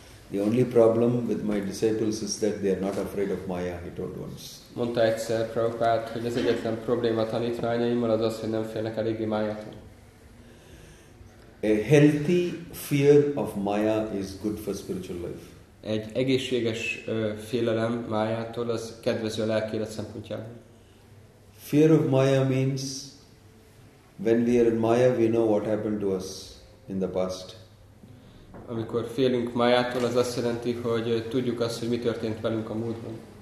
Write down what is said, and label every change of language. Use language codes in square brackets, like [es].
[en] The only problem with my disciples is that they are not afraid of Maya, he told once. [hu] Mondta egyszer Prabhupada, hogy az egyetlen probléma tanítványaimmal az, hogy nem félnek eléggé Mayától. [en] A healthy fear of Maya is good for spiritual life. [hu] Egy egészséges félelem Mayától az kedvező a lelki élet szempontjából. [en] Fear of Maya means when we are in Maya, we know what happened to us in the past. [hu] Amikor félünk Mayától, az azt jelenti, hogy tudjuk azt, hogy mi történt velünk a múltban.